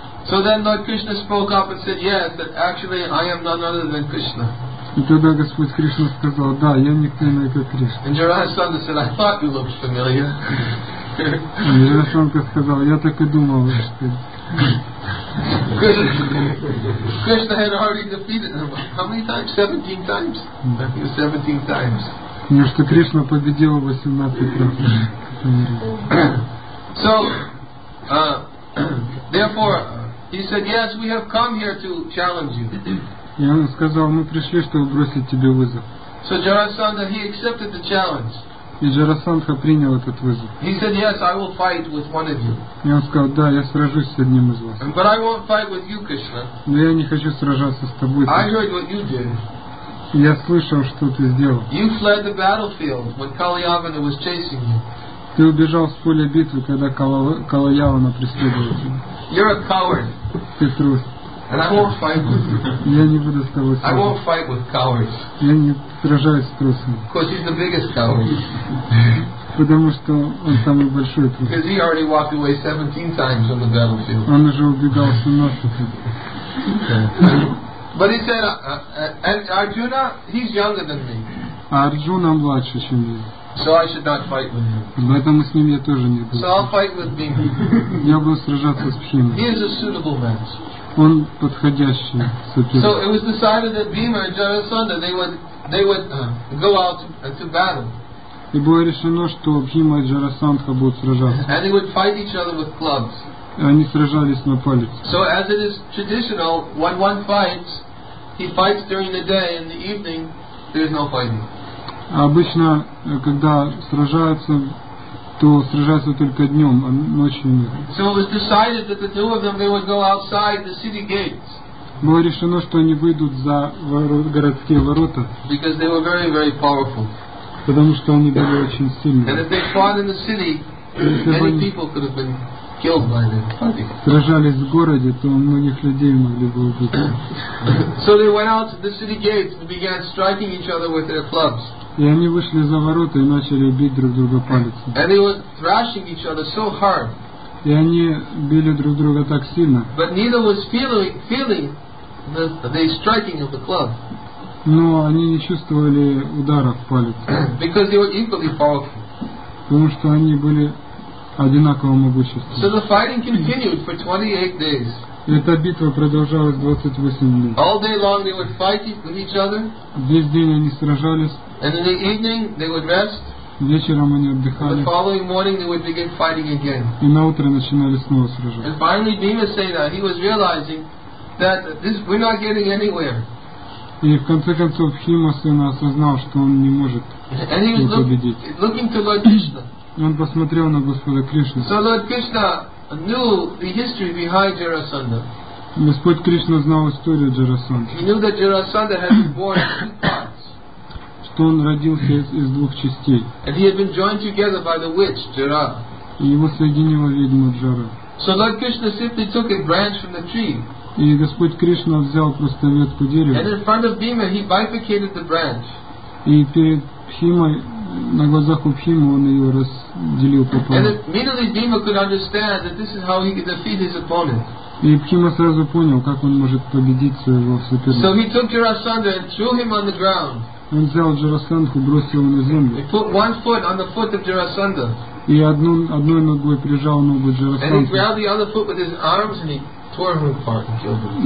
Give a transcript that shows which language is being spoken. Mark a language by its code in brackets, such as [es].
[en] So then Lord Krishna spoke up and said, yes, that actually I am none other than Krishna. [ru] И тогда Господь Кришна сказал, да, я никто иной, как Кришна. [en] And Jarasandha said, I thought you looked familiar. [ru] И Jarasandha сказал, я так и думал, что... [en] Krishna had already defeated him. How many times? 17 times? I think 17 times. [ru] Потому что Кришна победила 18 раз. [en] So, therefore, he said, yes, we have come here to challenge you. [ru] И он сказал, мы пришли, чтобы бросить тебе вызов. [en] So Jarasandha, he accepted the challenge. [ru] И Jarasandha принял этот вызов. [en] He said, yes, I will fight with one of you. [ru] И он сказал, да, я сражусь с одним из вас. [en] But I won't fight with you, Krishna. [ru] Но я не хочу сражаться с тобой. [en] I heard what you did. [ru] Я слышал, что ты сделал. [en] You fled the battlefield when Kalyavana was chasing you. [ru] Ты убежал с поля битвы, когда Калаявана преследовал тебя. [en] You're a coward. [ru] Ты трус. [en] And I won't fight with you. [ru] Я не буду с тобой сражаться. [en] I won't fight with cowards. [ru] Я не сражаюсь с трусами. [en] Because he's the biggest coward. [ru] Потому что он самый большой трус. [en] Because he already walked away 17 times on the battlefield. [ru] Он уже убегал 17 раз. [en] But he said, and Arjuna, he's younger than me. [ru] А Арджуна младше, чем я. [en] So I should not fight with him. [ru] Поэтому с ним я тоже не буду. [en] So I'll fight with Bhima. [ru] Я буду сражаться с Бхимой. [en] He is a suitable match. [ru] Он подходящий соперник. [en] So it was decided that Bhima and Jarasandha they would go out to battle. [ru] И было решено, что Бхима и Джарасандха будут сражаться. [en] And they would fight each other with clubs. [ru] И они сражались на палец. [en] So as it is traditional, when one fights, he fights during the day, in the evening there is no fighting. [ru] Обычно, когда сражаются, то сражаются только днем, а ночью нет. [en] So it was decided that the two of them they would go outside the city gates. [ru] Было решено, что они выйдут за городские ворота. [en] Because they were very, very powerful. [ru] Потому что они были очень сильны. [en] And if they fought in the city, many people could have been killed by them. [ru] Сражались в городе, то многих людей могли бы убить. [en] So they went out to the city gates and began striking each other with their clubs. [ru] И они вышли за ворота и начали бить друг друга палицами. [en] And they were thrashing each other so hard. [ru] И они били друг друга так сильно. [en] But neither was feeling the striking of the club. [ru] Но они не чувствовали ударов палицами. [en] Because they were equally powerful. [ru] Потому что они были одинаково могущественны. [en] So the fighting continued for 28 days. [ru] Эта битва продолжалась 28 дней. [en] All day long they would fight with each other. [ru] Весь день они сражались. [en] And in the evening they would rest. [ru] Вечером они отдыхали. [en] The following morning they would begin fighting again. [ru] И на утро начинали снова сражаться. [en] And finally Bhima said that he was realizing that this we're not getting anywhere. [ru] И в конце концов Бхима сына осознал, что он не может победить. [en] And he was looking to Lord Krishna. [ru] Он посмотрел на Господа Кришну. [en] So Lord Krishna knew the history behind Jarasandha. [ru] Господь Кришна знал историю Джарасандхи. [en] He knew that Jarasandha had been born in two parts. [ru] Что он родился из двух частей. [en] And he had been joined together by the witch, Jara. [ru] И его соединила ведьма Джара. [en] So Lord Krishna simply took a branch from the tree. [ru] И Господь Кришна взял просто ветку дерева. [en] And in front of Bhima, he bifurcated the branch. [ru] И перед Бхимой, на глазах у Бхимы, он ее разделил пополам. [en] And immediately Bhima could understand that this is how he could defeat his opponent. [ru] И Бхима сразу понял, как он может победить своего соперника. [en] So he took Jarasandha and threw him on the ground. [ru] Он взял Джарасандху, бросил его на землю. [en] He put one foot on the foot of Jarasandha. [ru] И одной ногой прижал ногу Джарасандху. [en] And he grabbed the other foot with his arms and he tore him apart and killed him.